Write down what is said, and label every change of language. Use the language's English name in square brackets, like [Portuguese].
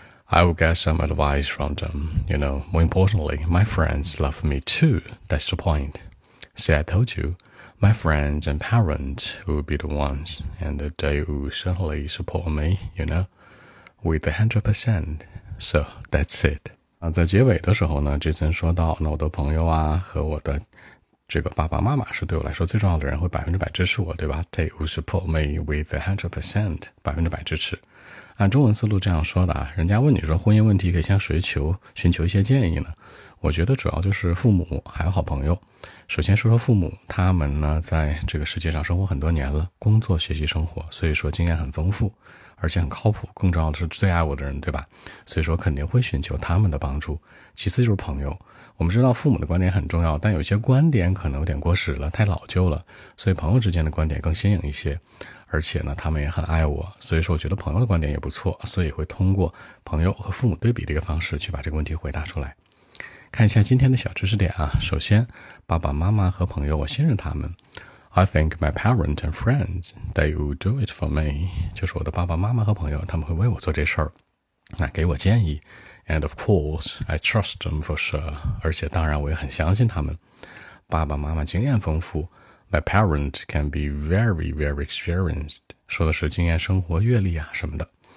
[English] I will get some advice from them, you know. More importantly, my friends love me too, that's the point. See, I told you, my friends and parents will be the ones, and they will certainly support me, you know, with 100%. So, that's it. [Chinese] 在结尾的时候呢，这次说到那我的朋友啊和我的这个爸爸妈妈是对我来说最重要的人，会百分之百支持我，对吧？ [English] They will support me with 100%, [Chinese] 百分之百支持。按中文思路这样说的啊，人家问你说婚姻问题可以向谁求寻求一些建议呢？我觉得主要就是父母还有好朋友。首先说说父母，他们呢在这个世界上生活很多年了，工作学习生活，所以说经验很丰富，而且很靠谱，更重要的是最爱我的人，对吧？所以说肯定会寻求他们的帮助。其次就是朋友，我们知道父母的观点很重要，但有些观点可能有点过时了，太老旧了，所以朋友之间的观点更新颖一些，而且呢他们也很爱我，所以说我觉得朋友的观点也不错，所以会通过朋友和父母对比的一个方式去把这个问题回答出来。看一下今天的小知识点啊，首先爸爸妈妈和朋友我信任他们， [English] I think my parents and friends, they will do it for me. [Chinese] 就是我的爸爸妈妈和朋友，他们会为我做这事儿，那给我建议。 [English] And of course, I trust them for sure. [Chinese] 而且当然我也很相信他们。爸爸妈妈经验丰富。 [English] My parents can be very, very experienced. [Chinese] 说的是经验生活阅历啊什么的。